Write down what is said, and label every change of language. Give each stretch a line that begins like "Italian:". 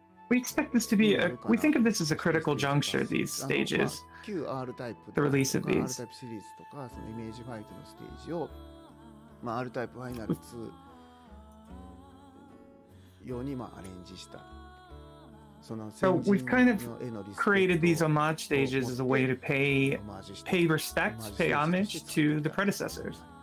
English: We expect this to be a, we think of this as a critical juncture, these stages.
Japanese: QR タイプ、
English: the release of these.
Japanese: R タイプシリーズとか、そのイメージファイトのステージを、まあ、R タイプファイナル2用に、まあ、アレンジした。その先人の絵のリスペクトを。
English: So we've kind of created these homage stages as a way to pay respect, pay homage to the predecessors.